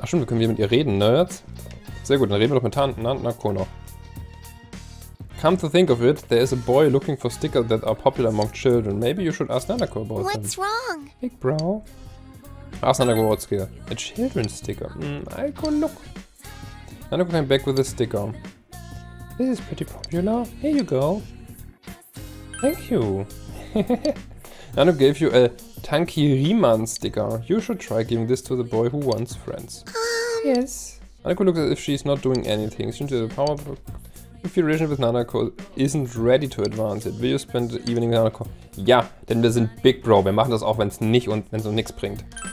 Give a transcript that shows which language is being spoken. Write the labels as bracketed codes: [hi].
[de] Ach, schon, wir können wieder mit ihr reden, ne? Sehr gut, dann reden wir doch mit Nanako noch. [en] Come to think of it, there is a boy looking for stickers that are popular among children. Maybe you should ask Nanako about them. What's wrong? Big bro. Ask Nanako what's here. A children's sticker. I'll go look. Nanako came back with a sticker. This is pretty popular. Here you go. Thank you. Nanako gave you a Tanki Riemann sticker. You should try giving this to the boy who wants friends. Yes. Nanako looks as if she's not doing anything. Isn't she the power of... If your relationship with Nanako isn't ready to advance it, will you spend the evening with Nanako? [de] Ja, denn wir sind Big Bro. Wir machen das auch, wenn es nicht und wenn es uns nichts bringt.